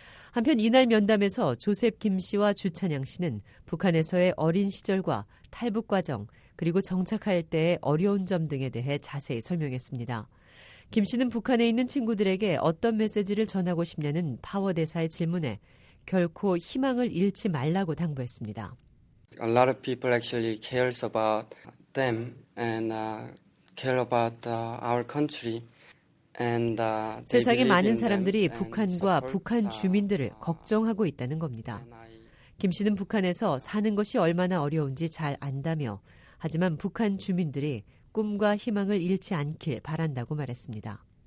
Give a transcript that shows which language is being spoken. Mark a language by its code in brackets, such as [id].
[ko] 한편 이날 면담에서 조셉 김 씨와 주찬양 씨는 북한에서의 어린 시절과 탈북 과정 그리고 정착할 때의 어려운 점 등에 대해 자세히 설명했습니다. 김 씨는 북한에 있는 친구들에게 어떤 메시지를 전하고 싶냐는 파워 대사의 질문에 결코 희망을 잃지 말라고 당부했습니다. [en] A lot of people actually cares about them and care about our country. [ko] 세상에 많은 사람들이 북한과 북한 주민들을 걱정하고 있다는 겁니다. 김 씨는 북한에서 사는 것이 얼마나 어려운지 잘 안다며 하지만 북한 주민들이 꿈과 희망을 잃지 않길 바란다고 말했습니다.